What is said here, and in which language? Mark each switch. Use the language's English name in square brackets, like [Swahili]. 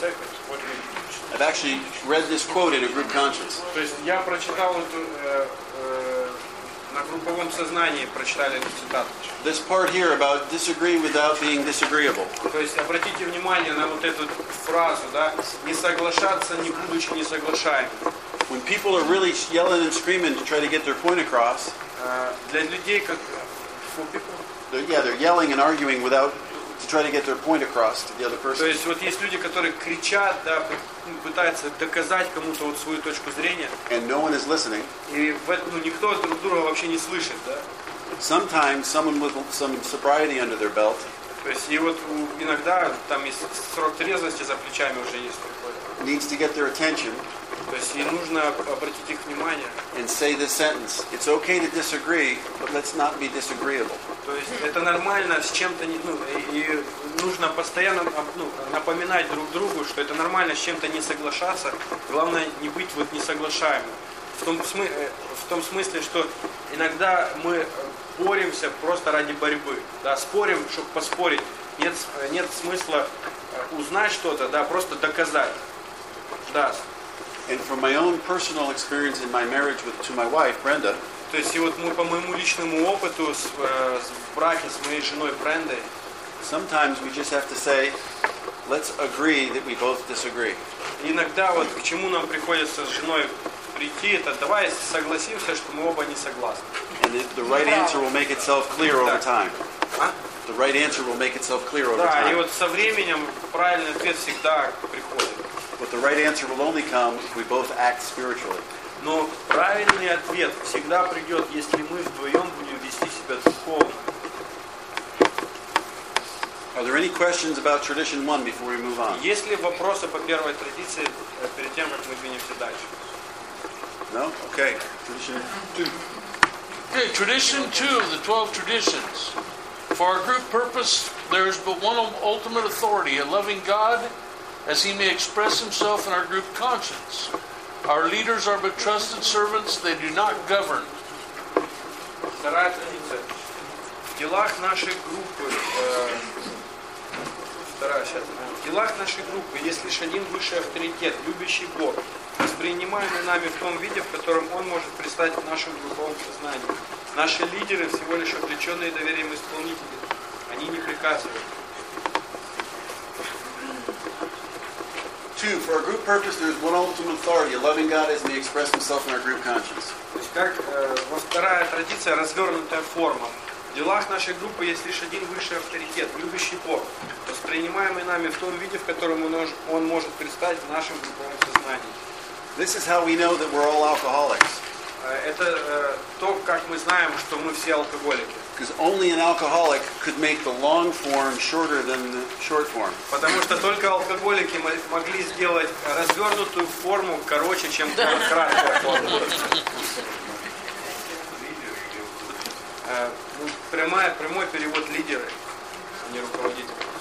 [English] I've actually read this quote in a group conscience. [Russian] То есть я прочитал эту на групповом сознании прочитали эту цитату. [English] This part here about disagreeing without being disagreeable. [Russian] То есть обратите внимание на вот эту фразу, да, не соглашаться, не будучи несоглашаемым. [English] When people are really yelling and screaming to try to get their point across, [Russian] для людей, как, [English] for people, they're yelling and arguing without to try to get their point across to the other person. [Russian] То есть вот есть люди, которые кричат, да, пытаются доказать кому-то вот свою точку зрения. [English] And no one is listening. [Russian] И в этом, ну, никто друг друга вообще не слышит, да? [English] Sometimes someone with some sobriety under their belt. [Russian] То есть и вот иногда там есть срок трезвости за плечами уже есть какой-то. [English] Needs to get their attention. [Russian] То есть ей нужно обратить их внимание. [English] And say this sentence. It's okay to disagree, but let's not be disagreeable. [Russian] То есть это нормально с чем-то не, ну, и нужно постоянно, ну, напоминать друг другу, что это нормально с чем-то не соглашаться. Главное не быть вот несоглашаемым. В том смысле, что иногда мы боремся просто ради борьбы. Да, спорим, чтобы поспорить. Нет смысла узнать что-то, да, просто доказать. Да. [English] And from my own personal experience in my marriage with to my wife Brenda. [Russian] То есть и вот мы по моему личному опыту в браке с моей женой Брендой. [English] Sometimes we just have to say, let's agree that we both disagree. [Russian] Иногда вот к чему нам приходится с женой прийти, это давай согласимся, что мы оба не согласны. [English] And the right answer will make itself clear over time. The right answer will make itself clear over time. [Russian] Да, и вот со временем правильный ответ всегда приходит. [English] But the right answer will only come if we both act spiritually. [Russian] Но правильный ответ всегда придет, если мы вдвоем будем вести себя духовно. [English] Are there any questions about tradition one before we move on? [Russian] Есть ли вопросы по первой традиции перед тем, как мы двинемся дальше? [English] No? Okay. Tradition two. Okay, tradition two of the 12 traditions. For our group purpose, there is but one ultimate authority, a loving God, as he may express himself in our group conscience. Our leaders are but trusted servants, they do not govern. [Russian] Вторая традиция. В делах нашей группы, в делах нашей группы есть лишь один высший авторитет, любящий Бог, воспринимаемый нами в том виде, в котором он может предстать в нашем групповом сознании. Наши лидеры всего лишь облеченные доверием исполнители. Они не приказывают. [English] Two, for our group purpose, there is one ultimate authority, a loving God as may express himself in our group conscience. [Russian] То есть как вторая традиция, развернутая форма. В делах нашей группы есть лишь один высший авторитет, любящий Бог, воспринимаемый нами в том виде, в котором он может предстать в нашем групповом сознании. [English] This is how we know that we're all alcoholics. [Russian] Это то, как мы знаем, что мы все алкоголики. [English] Because only an alcoholic could make the long form shorter than the short form. [Russian] Потому что только алкоголики могли сделать развернутую форму короче, чем краткая форма. Прямой перевод лидеры, а не руководитель.